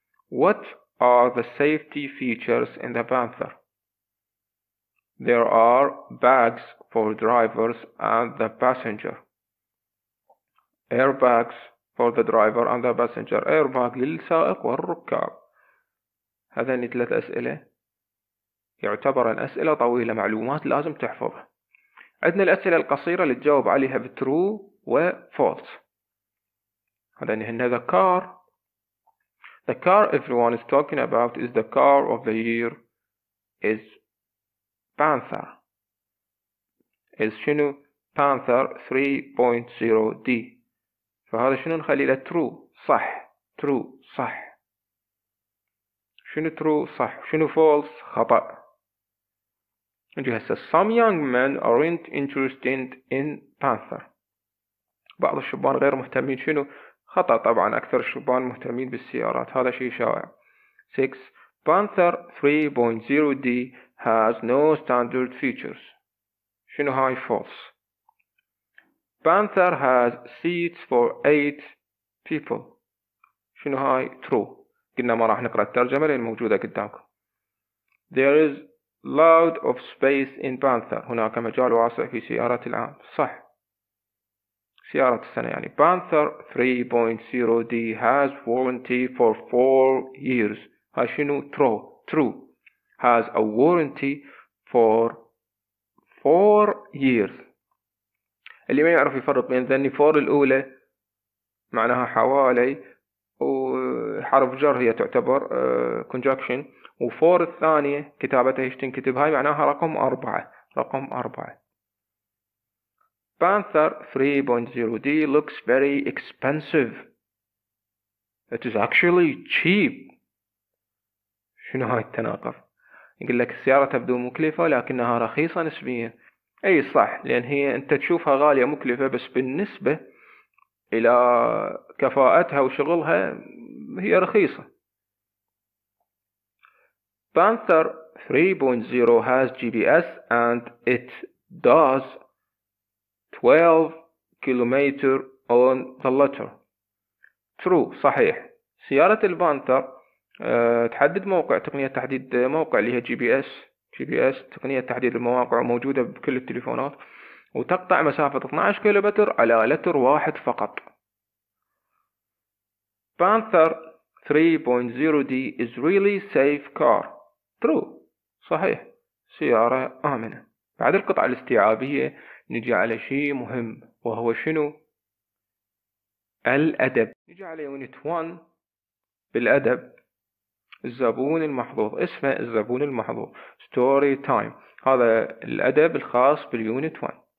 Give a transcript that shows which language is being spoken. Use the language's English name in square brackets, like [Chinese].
[English] What are the safety features in the Panther? There are bags for drivers and the passenger. Airbags for the driver and the passenger. [Arabic] Airbag للسائق والركاب. هذان ثلاث أسئلة يعتبر أن أسئلة طويلة معلومات لازم تحفظها. عندنا الأسئلة القصيرة اللي تجاوب عليها بترو وفولس. هذا هنا [English] the car. The car everyone is talking about is the car of the year is Panther. Is [Arabic] شنو؟ [English] Panther 3.0D. [Arabic] فهذا شنو نخلي له true صح. [English] True [Arabic] صح. شنو true صح؟ شنو false خطأ. نجي هسه [English] some young men aren't interested in Panther. [Arabic] بعض الشبان غير مهتمين شنو؟ خطأ طبعا، أكثر الشبان مهتمين بالسيارات، هذا شيء شائع. 6. [English] Panther 3.0D has no standard features. [Arabic] شنو هاي؟ false. [English] Panther has seats for 8 people. [Arabic] شنو هاي؟ true. قلنا ما راح نقرأ الترجمة لأن موجودة قدامكم. [English] There is load of space in Panther. [Arabic] هناك مجال واسع في سيارة العام. صح، سيارة السنة يعني. [English] Panther 3.0D has warranty for 4 years. [Arabic] ها شنو؟ True. [English] Has a warranty for 4 years. [Arabic] اللي ما يعرف يفرق بين ذني 4 الأولى معناها حوالي، وحرف جر هي تعتبر conjunction، و 4 الثانية كتابتها ايش تنكتب، هاي معناها رقم 4. رقم 4. [English] Panther 3.0D looks very expensive. It is actually cheap. [Arabic] شنو هاي التناقض؟ يقول لك السيارة تبدو مكلفة لكنها رخيصة نسبيا. اي صح، لان هي انت تشوفها غالية مكلفة، بس بالنسبة الى كفاءتها وشغلها هي رخيصة. [English] Panther 3.0 has GPS and it does 12 kilometre on the letter. [Arabic] True صحيح، سيارة البانثر تحدد موقع، تقنية تحديد موقع اللي هي GPS. GPS تقنية تحديد المواقع موجودة بكل التليفونات، وتقطع مسافة 12 كيلومتر على لتر واحد فقط. [English] Panther 3.0D is really safe car. [Arabic] True صحيح، سيارة آمنة. بعد القطعة الاستيعابية نجي على شيء مهم وهو شنو؟ الأدب. نجي على يونت 1 بالأدب. الزبون المحظوظ، اسمه الزبون المحظوظ، ستوري تايم. هذا الأدب الخاص باليونت 1.